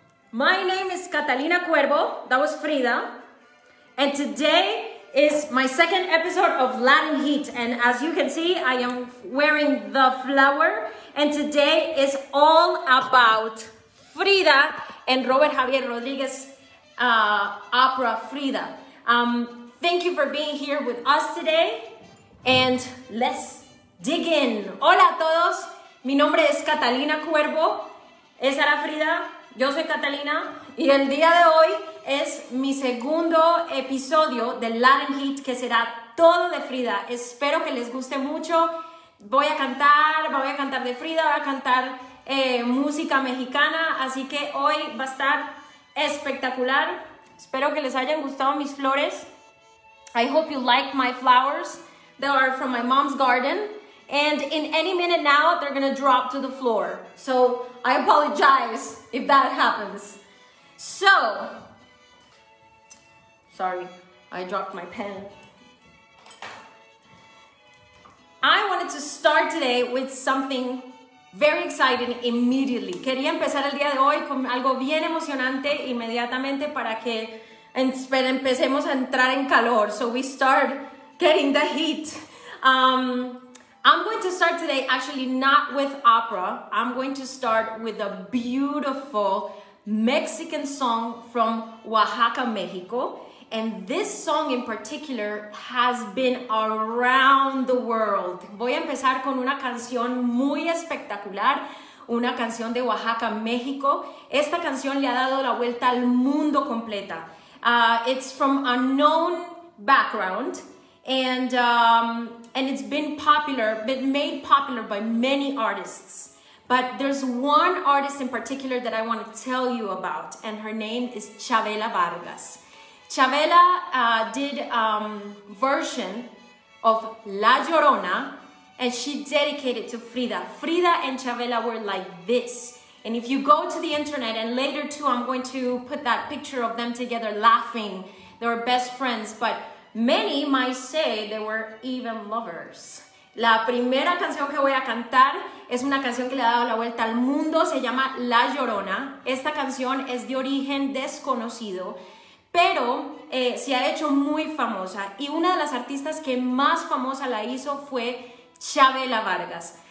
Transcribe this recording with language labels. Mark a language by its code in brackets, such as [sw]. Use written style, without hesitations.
[en] My name is Catalina Cuervo, that was Frida, and today is my second episode of Latin Heat, and as you can see, I am wearing the flower, and today is all about Frida and Robert Xavier Rodriguez opera Frida. Thank you for being here with us today, and let's dig in. [es] Hola a todos, mi nombre es Catalina Cuervo, esa era Frida. Yo soy Catalina, y el día de hoy es mi segundo episodio de Latin Heat, que será todo de Frida. Espero que les guste mucho. Voy a cantar de Frida, voy a cantar música mexicana, así que hoy va a estar espectacular. Espero que les hayan gustado mis flores. [en] I hope you like my flowers. They are from my mom's garden. And in any minute now, they're gonna drop to the floor. So I apologize if that happens. So, sorry, I dropped my pen. I wanted to start today with something very exciting immediately. [es] Quería empezar el día de hoy con algo bien emocionante inmediatamente para que empecemos a entrar en calor. [en] So we start getting the heat. I'm going to start today, actually not with opera. I'm going to start with a beautiful Mexican song from Oaxaca, Mexico. And this song in particular has been around the world. [es] Voy a empezar con una canción muy espectacular, una canción de Oaxaca, Mexico. Esta canción le ha dado la vuelta al mundo completa. [en] It's from a known background. And it's been popular, been made popular by many artists. But there's one artist in particular that I want to tell you about, and her name is Chavela Vargas. Chavela did a version of La Llorona, and she dedicated to Frida. Frida and Chavela were like this. And if you go to the internet, and later too, I'm going to put that picture of them together laughing. They were best friends, but many might say they were even lovers. [es] La primera canción que voy a cantar es una canción que le ha dado la vuelta al mundo. Se llama La Llorona. Esta canción es de origen desconocido, pero se ha hecho muy famosa. Y una de las artistas que más famosa la hizo fue Chavela Vargas.